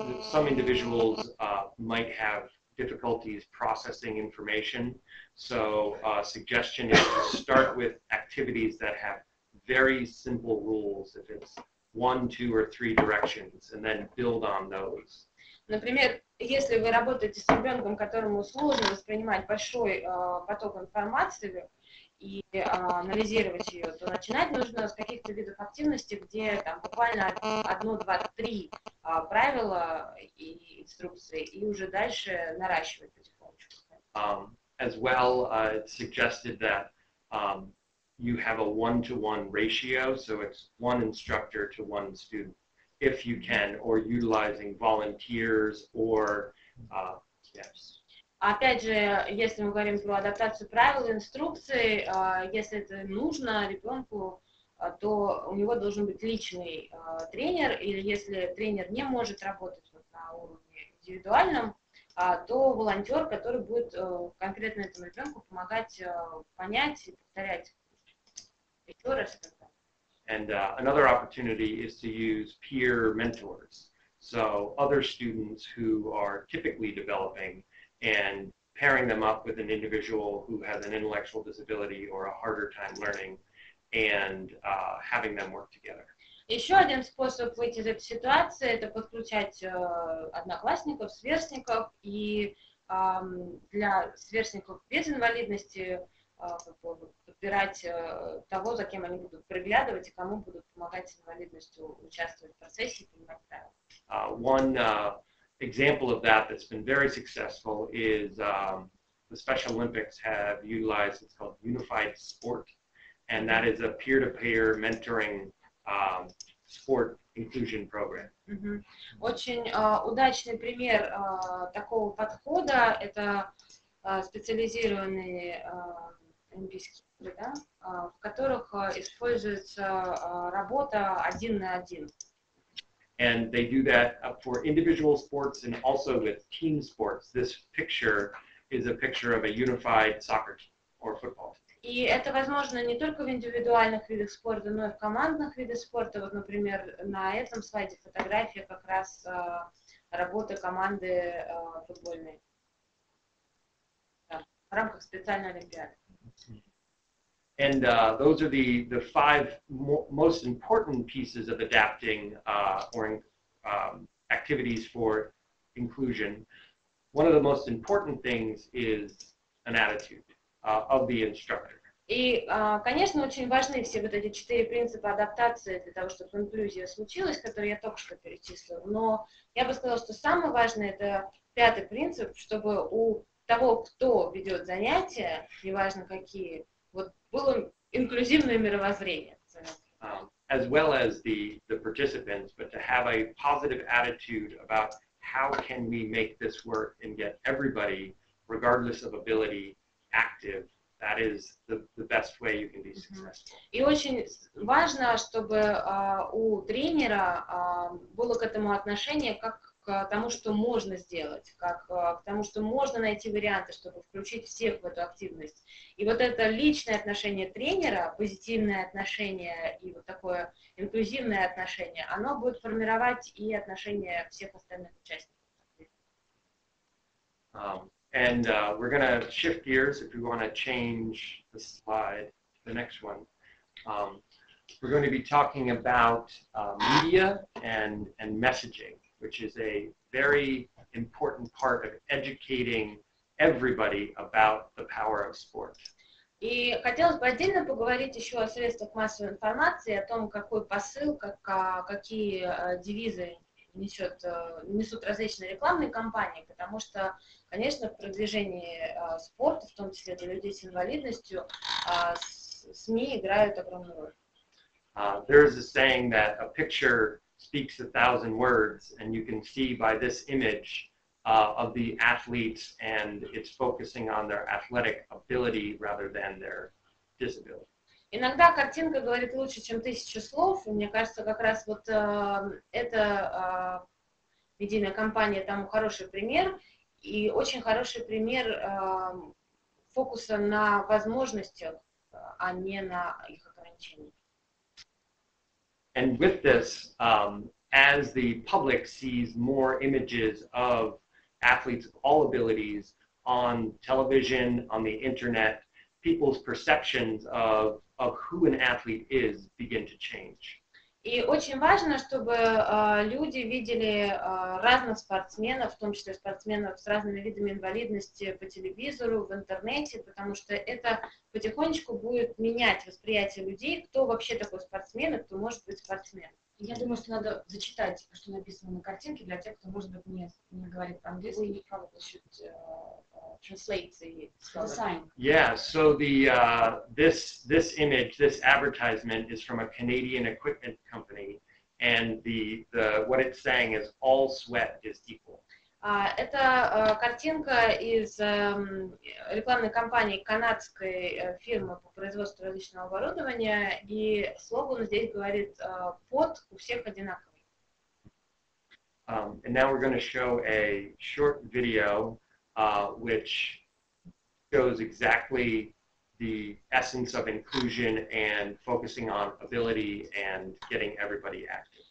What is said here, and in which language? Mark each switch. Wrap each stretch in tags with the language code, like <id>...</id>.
<en>Some individuals might have difficulties processing information, so a suggestion is to start with activities that have very simple rules, if it's one, two, or three directions, and then build on those.</en> <ru>Например, если вы работаете с ребенком, которому сложно воспринимать большой поток информации и анализировать ее, то начинать нужно с каких-то видов активности, где там буквально одно, два, три правила и инструкции, и уже дальше наращивать потихонечку.</ru> <en>As well, it's suggested that you have a one-to-one ratio, so it's one instructor to one student, if you can, or utilizing volunteers or yes.</en> <ru>Опять же, если мы говорим про адаптацию правил, инструкции, если это нужно ребенку, то у него должен быть личный тренер, или если тренер не может работать вот на уровне индивидуальном, то волонтер, который будет конкретно этому ребенку помогать понять и повторять еще раз.</ru> <en>And another opportunity is to use peer mentors. So other students who are typically developing and pairing them up with an individual who has an intellectual disability or a harder time learning and having them work together.</en> <ru>Еще один способ выйти из этой ситуации – это подключать одноклассников, сверстников, и для сверстников без инвалидности подбирать того, за кем они будут приглядывать и кому будут помогать с инвалидностью участвовать в процессе и понимать правила.</ru> <en>Example of that that's been very successful is the Special Olympics have utilized, it's called Unified Sport, and that is a peer-to-peer mentoring sport inclusion program. Mm-hmm.</en> <ru>Очень удачный пример такого подхода – это специализированные олимпийские игры, да? В которых используется работа один на один.</ru> <en>And they do that for individual sports and also with team sports. This picture is a picture of a unified soccer team or football team.</en> <ru>И это возможно не только в индивидуальных видах спорта, но и в командных видах спорта. Вот, например, на этом слайде фотография как раз работы команды футбольной в рамках специальной олимпиады.</ru> <en>And those are the five most important pieces of adapting activities for inclusion. One of the most important things is an attitude of the instructor.</en> <ru>И, конечно, очень важны все вот эти четыре принципа адаптации для того, чтобы инклюзия случилась, которые я только что перечислила. Но я бы сказала, что самое важное – это пятый принцип, чтобы у того, кто ведет занятия, неважно какие, вот было инклюзивное мировоззрение.</ru> <en>As well as the participants, but to have a positive attitude about how can we make this work and get everybody, regardless of ability, active, that is the best way you can be successful.</en> <ru>И очень важно, чтобы у тренера было к этому отношение как к тому, что можно сделать, как к тому, что можно найти варианты, чтобы включить всех в эту активность. И вот это личное отношение тренера, позитивное отношение и вот такое инклюзивное отношение, оно будет формировать и отношение всех остальных участников.</ru> <en>And we're gonna shift gears if we wanna change the slide to the next one. We're going to be talking about media and messaging, which is a very important part of educating everybody about the power of sport.</en> <ru>И хотелось бы отдельно поговорить еще о средствах массовой информации, о том, какой посыл, какие девизы несут различные рекламные кампании, потому что, конечно, в продвижении спорта, в том числе для людей с инвалидностью, СМИ играют огромную роль.</ru> <en>There is a saying that a picture speaks a thousand words, and you can see by this image of the athletes, and it's focusing on their athletic ability rather than their disability.</en> <ru>Иногда картинка говорит лучше, чем тысяча слов, и мне кажется, как раз вот эта медийная кампания там хороший пример, и очень хороший пример фокуса на возможностях, а не на их ограничениях.</ru> <en>And with this, as the public sees more images of athletes of all abilities on television, on the internet, people's perceptions of who an athlete is begin to change.</en> <ru>И очень важно, чтобы люди видели разных спортсменов, в том числе спортсменов с разными видами инвалидности по телевизору, в интернете, потому что это потихонечку будет менять восприятие людей, кто вообще такой спортсмен и кто может быть спортсмен. Я думаю, что надо зачитать, что написано на картинке для тех, кто, может быть, не говорит по-английски.</ru> <en>We probably should translate the sign. Yeah, so this image, this advertisement is from a Canadian equipment company, and the what it's saying is all sweat is equal.</en> <ru>Это картинка из рекламной кампании канадской фирмы по производству различного оборудования, и слово здесь говорит «пот» у всех одинаковый.</ru> <en>And now we're going to show a short video, which shows exactly the essence of inclusion and focusing on ability and getting everybody active.</en>